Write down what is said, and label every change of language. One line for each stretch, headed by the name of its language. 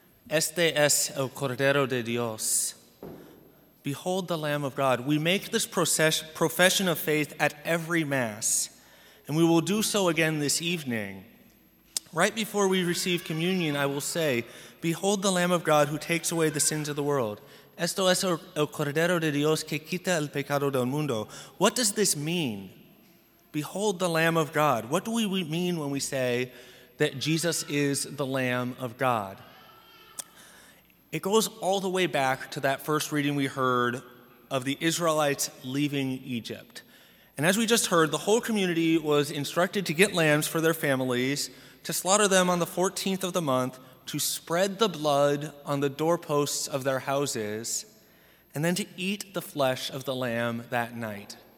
Spanish: Este es el Cordero de Dios.
English: Behold the Lamb of God. We make this profession of faith at every Mass, and we will do so again this evening. Right before we receive communion, I will say, Behold the Lamb of God who takes away the sins of the world.
Spanish: Esto es el Cordero de Dios que quita el pecado del mundo.
English: What does this mean? Behold the Lamb of God. What do we mean when we say that Jesus is the Lamb of God? It goes all the way back to that first reading we heard of the Israelites leaving Egypt. And as we just heard, the whole community was instructed to get lambs for their families, to slaughter them on the 14th of the month, to spread the blood on the doorposts of their houses, and then to eat the flesh of the lamb that night.